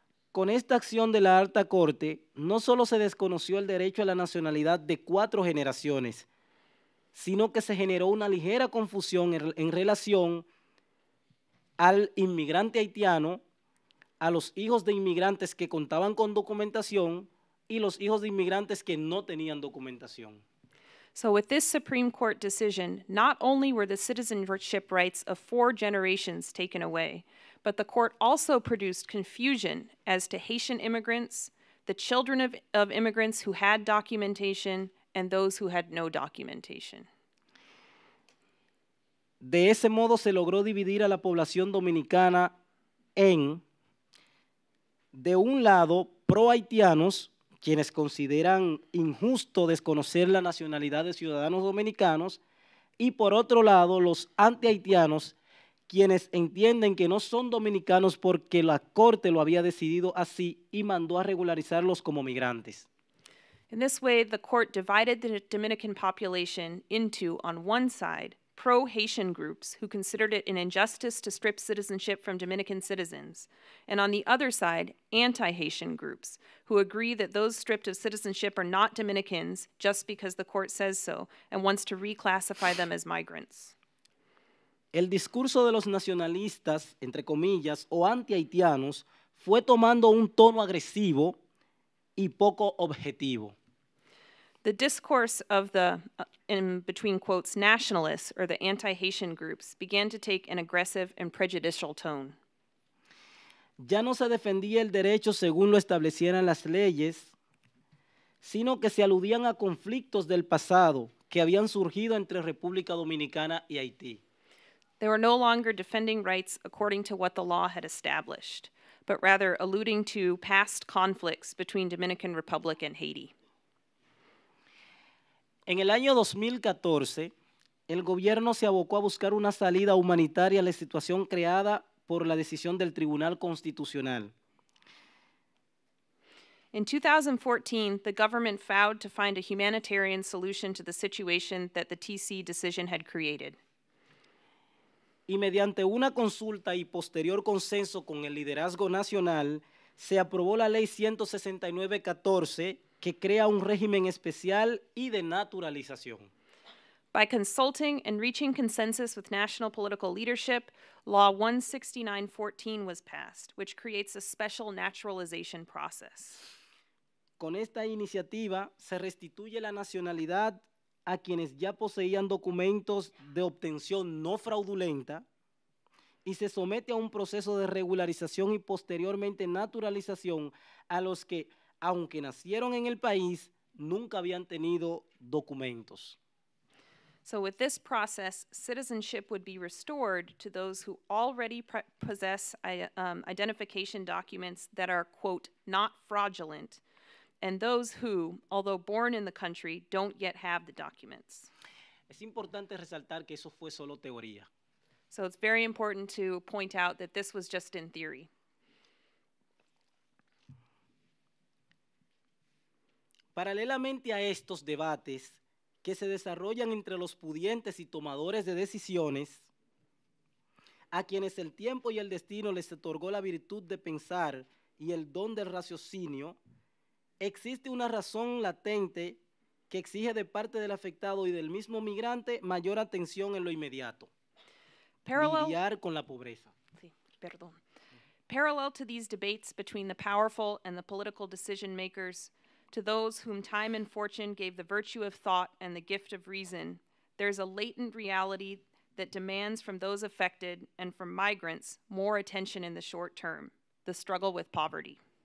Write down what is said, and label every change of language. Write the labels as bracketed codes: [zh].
[es] Con esta acción de la Alta Corte, no solo se desconoció el derecho a la nacionalidad de cuatro generaciones, sino que se generó una ligera confusión en relación al inmigrante haitiano, a los hijos de inmigrantes que contaban con documentación, y los hijos de inmigrantes que no tenían documentación. [en] So with this Supreme Court decision, not only were the citizenship rights of four generations taken away, but the court also produced confusion as to Haitian immigrants, the children of immigrants who had documentation, and those who had no documentation. [es] De ese modo se logró dividir a la población dominicana en, de un lado, pro-haitianos, quienes consideran injusto desconocer la nacionalidad de ciudadanos dominicanos, y por otro lado, los anti-haitianos, quienes entienden que no son dominicanos porque la corte lo había decidido así y mandó a regularizarlos como migrantes. [en] In this way, the court divided the Dominican population into, on one side, pro-Haitian groups who considered it an injustice to strip citizenship from Dominican citizens, and on the other side, anti-Haitian groups who agree that those stripped of citizenship are not Dominicans just because the court says so and wants to reclassify them as migrants. [es] El discurso de los nacionalistas, entre comillas, o anti-haitianos, fue tomando un tono agresivo y poco objetivo. [en] The discourse of the, in between quotes, nationalists or the anti-Haitian groups began to take an aggressive and prejudicial tone. [es] Ya no se defendía el derecho según lo establecieran las leyes, sino que se aludían a conflictos del pasado que habían surgido entre República Dominicana y Haití. [en] They were no longer defending rights according to what the law had established, but rather alluding to past conflicts between Dominican Republic and Haiti. [es] En el año 2014, el gobierno se abocó a buscar una salida humanitaria a la situación creada por la decisión del Tribunal Constitucional. [en] In 2014, the government vowed to find a humanitarian solution to the situation that the TC decision had created. [es] Y mediante una consulta y posterior consenso con el liderazgo nacional, se aprobó la ley 169-14, que crea un régimen especial y de naturalización. [en] By consulting and reaching consensus with national political leadership, law 169-14 was passed, which creates a special naturalization process. [es] Con esta iniciativa se restituye la nacionalidad a quienes ya poseían documentos de obtención no fraudulenta y se somete a un proceso de regularización y posteriormente naturalización a los que, aunque nacieron en el país, nunca habían tenido documentos. [en] So with this process, citizenship would be restored to those who already possess identification documents that are, quote, not fraudulent, and those who, although born in the country, don't yet have the documents. [es] Es importante resaltar que eso fue solo teoría. [en] So it's very important to point out that this was just in theory. [es] Paralelamente a estos debates que se desarrollan entre los pudientes y tomadores de decisiones, a quienes el tiempo y el destino les otorgó la virtud de pensar y el don del raciocinio, existe una razón latente que exige de parte del afectado y del mismo migrante mayor atención en lo inmediato. Lidiar con la pobreza. Sí, perdón. [en] Parallel to these debates between the powerful and the political decision makers, to those whom time and fortune gave the virtue of thought and the gift of reason, there is a latent reality that demands from those affected and from migrants more attention in the short term, the struggle with poverty.